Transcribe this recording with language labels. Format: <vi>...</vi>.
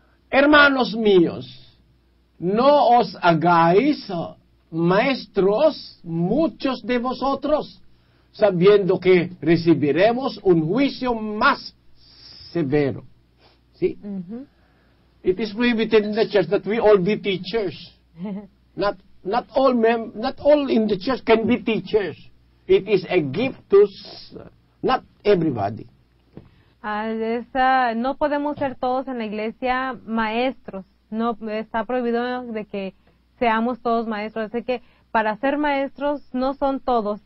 <es>Hermanos míos, no os hagáis maestros muchos de vosotros, sabiendo que recibiremos un juicio más severo. ¿Sí? Uh-huh.</es> <en>It is prohibited in the church that we all be teachers. Not all in the church can be teachers. It is a gift to not everybody.</en> <es>No podemos ser todos en la iglesia maestros. No está prohibido de que seamos todos maestros. Así que para ser maestros no son todos.</es>